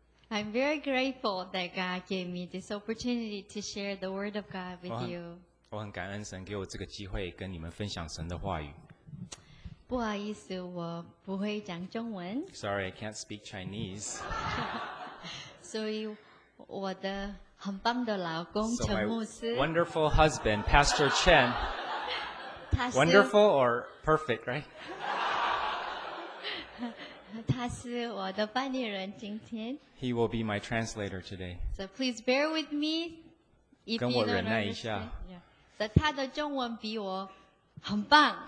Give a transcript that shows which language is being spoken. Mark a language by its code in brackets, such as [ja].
[en] 、I'm very grateful that God gave me this opportunity to share the word of God with you. [zh] 我很感恩神给我这个机会跟你们分享神的话语。不好意思，我不会讲中文。 [en] Sorry, I can't speak Chinese. [zh] 所以我的很棒的老公陈牧师。 [en] My wonderful husband, Pastor Chen. Wonderful or perfect, right? [zh] 他是我的翻译人今天。 [en] He will be my translator today. So please bear with me. [zh] 跟我忍耐一下。但他的中文比我很棒。